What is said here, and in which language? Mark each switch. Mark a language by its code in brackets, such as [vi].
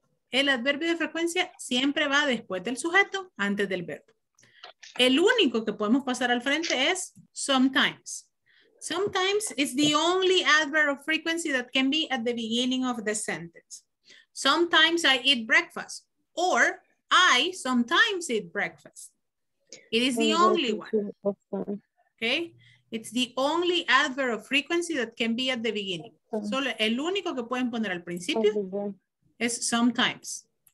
[es] El adverbio de frecuencia siempre va después del sujeto, antes del verbo. El único que podemos pasar al frente es sometimes. [en] Sometimes is the only adverb of frequency that can be at the beginning of the sentence. Sometimes I eat breakfast, or I sometimes eat breakfast. It is the only one. Okay? It's the only adverb of frequency that can be at the beginning. [es] Solo el único que pueden poner al principio es sometimes.